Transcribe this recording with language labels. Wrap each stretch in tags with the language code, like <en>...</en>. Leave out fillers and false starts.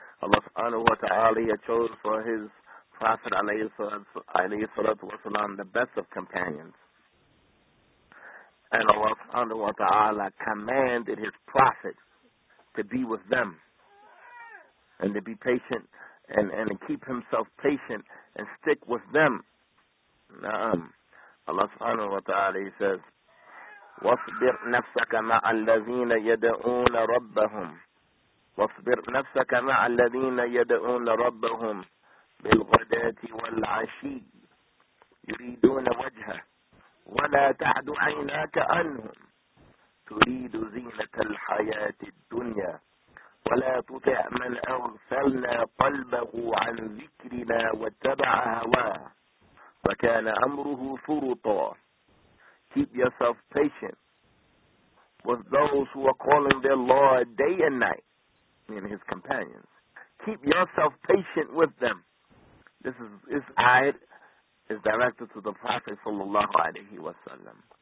<en>Allah subhanahu wa ta'ala he chose for his Prophet alayhi salatu wa salam the best of companions. And Allah subhanahu wa ta'ala commanded his Prophet to be with them and to be patient and keep himself patient and stick with them.</en> <ar>Allah subhanahu wa ta'ala</ar> <en>he says,</en> <ar>وَاصْبِرْ نَفْسَكَ مَعَ الَّذِينَ يَدْعُونَ رَبَّهُمْ وَاصْبِرْ نَفْسَكَ مَعَ الَّذِينَ يَدْعُونَ رَبَّهُمْ بِالْغَدَاةِ وَالْعَشِيِّ يُرِيدُونَ وَجْهَهُ وَلَا تَعْدُ عَيْنَاكَ عَنْهُمْ تُرِيدُ زِينَةَ الْحَيَاةِ الدُّنْيَا وَلَا تُطِعْ مَنْ أَغْفَلْنَا قَلْبَهُ عَنْ ذِكْرِنَا وَاتَّبَعَ هَوَاهُ فَكَانَ أَمْرُهُ فُرُطًا.</ar> <en>Keep yourself patient with those who are calling their Lord day and night, meaning his companions. Keep yourself patient with them. This ayat is directed to the Prophet sallallahu alaihi wasallam.</en>